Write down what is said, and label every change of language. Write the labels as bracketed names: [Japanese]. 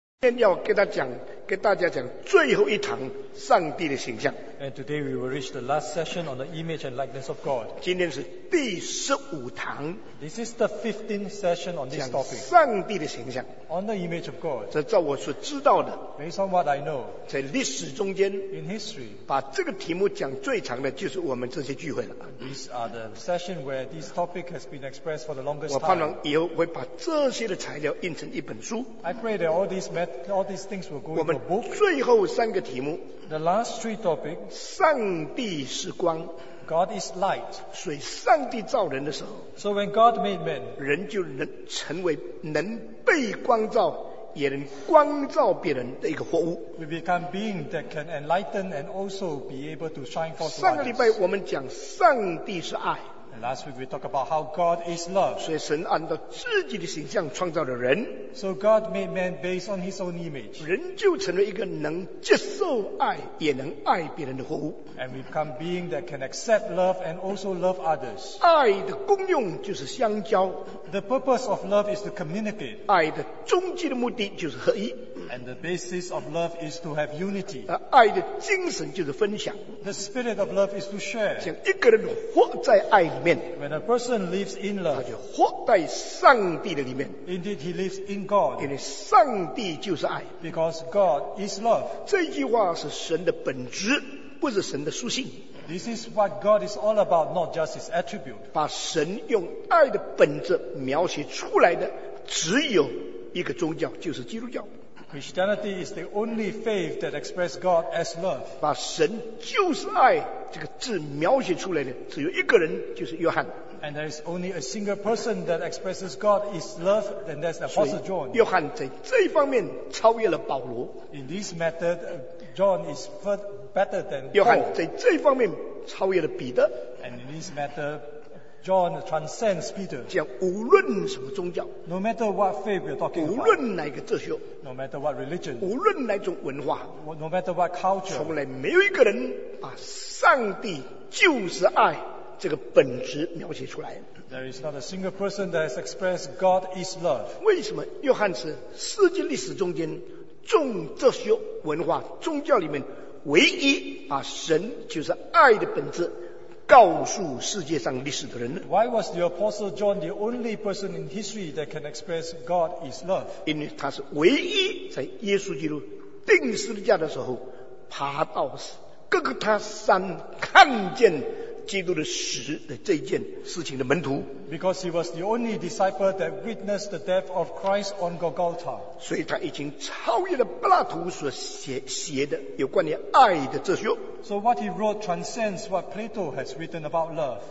[Chinese] 天要给他讲，给大家讲最后一堂上帝的形象。 [English] And today we will reach the last session on the image and likeness of God. [Chinese] 今天是第15堂。 [English] This is the 15th session on this topic. [Chinese] 讲上帝的形象。 [English] On the image of God. [Chinese] 这照我所知道的。 [English] Based on what I know. [Chinese] 在历史中间。 [English] In history. [Chinese] 把这个题目讲最长的就是我们这些聚会了。 [English] These are the session where this topic has been expressed for the longest time. [Chinese] 我盼望以后会把这些的材料印成一本书。 [English] I pray that all these things will go into a book. [Chinese] 我们最后三个题目。 [English] The last three topics. [Chinese] 上帝是光。 [English] God is light. [Chinese] 所以上帝造人的时候。 [English] So when God made man. [Chinese] 人就能成为能被光照也能光照别人的一个活物。 [English] We become being that can enlighten and also be able to shine forth light. [Chinese] 上个礼拜我们讲上帝是爱。 [English] Last week we talked about how God is love. [Chinese] 所以神按照自己的形象创造了人。 [English] So God made man based on his own image. [Chinese] 人就成为一个能接受爱也能爱别人的活物。 [English] And we become being that can accept love and also love others. [Chinese] 爱的功用就是相交。 [English] The purpose of love is to communicate. [Chinese] 爱的终极的目的就是合一。 [English] And the basis of love is to have unity. [Chinese] 爱的精神就是分享。 [English] The spirit of love is to share. [Chinese] 像一个人活在爱里面。 [English] When a person lives in love, [Chinese] 他就活在上帝的里面。 [English] Indeed, he lives in God. [Chinese] 因为上帝就是爱。 [English] Because God is love. [Chinese] 这句话是神的本质，不是神的属性。 [English] This is what God is all about, not just his attribute. [Chinese] 把神用爱的本质描写出来的，只有一个宗教，就是基督教。 [English] Christianity is the only faith that expresses God as love. [Chinese] 把神就是爱这个字描写出来的只有一个人，就是约翰。 [English] And there is only a single person that expresses God is love, then that's the Apostle John. [Chinese] 约翰在这一方面超越了保罗。 [English] In this matter, John is better than Paul. [Chinese] 约翰在这一方面超越了彼得。 [English] And in this matter, John transcends Peter. [Chinese] 讲无论什么宗教， [English] no matter what faith we're talking about, [Chinese] 无论哪个哲学， [English] no matter what religion, [Chinese] 无论哪种文化， [English] no matter what culture, [Chinese] 从来没有一个人把上帝就是爱这个本质描写出来。 [English] There is not a single person that has expressed God is love. [Chinese] 为什么约翰是世界历史中间众哲学文化宗教里面唯一把神就是爱的本质告诉世界上历史的人呢？ [English] Why was the Apostle John the only person in history that can express God is love? [Chinese] 因为他是唯一在耶稣基督钉十字架的时候爬到各个他山看见基督的死的这件事情的门徒。 [English] Because he was the only disciple that witnessed the death of Christ on Golgotha. [Chinese] 所以他已经超越了柏拉图所写的有关于爱的哲学。 [English] So what he wrote transcends what Plato has written about love.